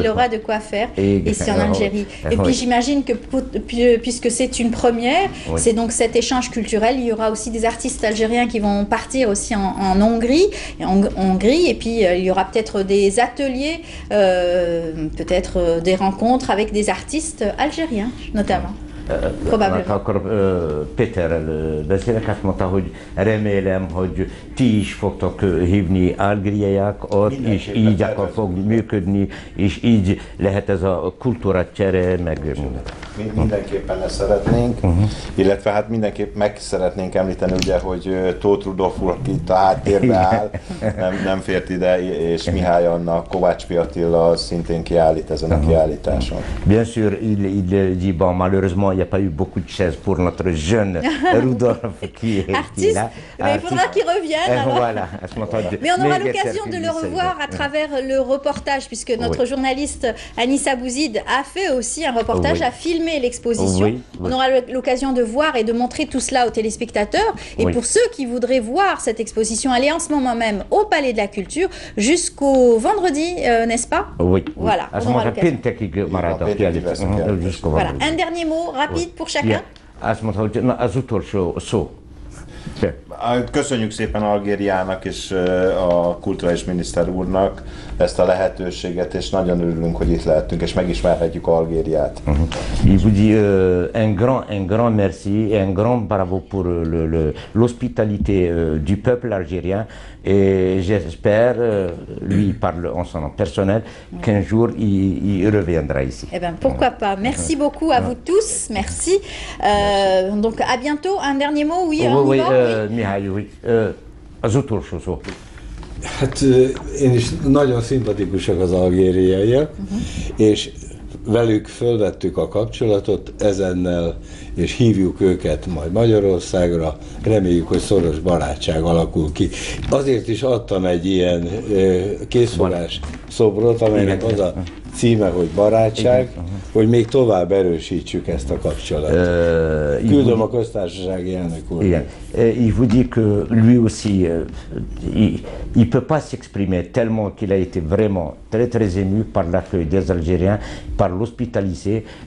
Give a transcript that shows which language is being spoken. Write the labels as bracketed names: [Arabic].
[French] Il aura de quoi faire ici en Algérie. Et puis j'imagine que puisque c'est une première, c'est donc cet échange culturel, il y aura aussi des artistes algériens qui vont partir aussi en Hongrie. Et puis il y aura peut-être des ateliers, peut-être des rencontres avec des artistes algériens notamment. [Hungarian] Akkor Péterrel beszélek, azt mondta, hogy remélem, hogy ti is fogtok hívni algériaiak ott, és így akkor fog működni, és így lehet ez a kultúra csere, meg... Mi mindenképpen ezt szeretnénk, illetve hát mindenképp meg szeretnénk említeni, ugye, hogy Tóth Rudolf úr, aki itt a háttérbe áll, nem fért ide, és Mihály Anna, Kovács Pi Attila szintén kiállít ezen a kiállításon. [French] Bien sûr, il dit, bon, malheureusement, il n'y a pas eu beaucoup de chaises pour notre jeune Rudolf qui est artiste, là. Mais il faudra qu'il revienne. Voilà, mais on aura l'occasion de le revoir à travers le reportage, puisque notre journaliste Anis Abouzid a fait aussi un reportage, a filmé l'exposition. On aura l'occasion de voir et de montrer tout cela aux téléspectateurs. Et pour ceux qui voudraient voir cette exposition, elle est en ce moment même au Palais de la Culture jusqu'au vendredi, n'est-ce pas? Oui. Voilà. On aura l'occasion. Voilà. Un dernier mot rapide pour chacun. [Hungarian] Azt mondta, hogy az utolsó szó. Köszönjük szépen Algériának és a kulturális miniszter úrnak ezt a lehetőséget, és nagyon örülünk, hogy itt lehetünk, és megismerhetjük Algériát. [French] Il vous dit un grand merci, un grand bravo pour l'hospitalité du peuple algérien, et j'espère, lui parle en son nom personnel, qu'un jour il reviendra ici. Eh bien, pourquoi pas. Merci beaucoup à vous tous, merci. Merci. Donc, à bientôt. Un dernier mot, [Hungarian] Mihály, az utolsó szó. Hát én is nagyon szimpatikusak az algériaiak, és velük fölvettük a kapcsolatot ezennel, és hívjuk őket majd Magyarországra, reméljük, hogy szoros barátság alakul ki. Azért is adtam egy ilyen készfogás szobrot, amelynek az a címe, hogy barátság, hogy még tovább erősítsük ezt a kapcsolatot. Küldöm a köztársasági elnök úr. Igen. [French] Il vous dit que lui aussi, il ne peut pas s'exprimer tellement qu'il a été vraiment très très ému par l'accueil des Algériens, par l'hospitalité.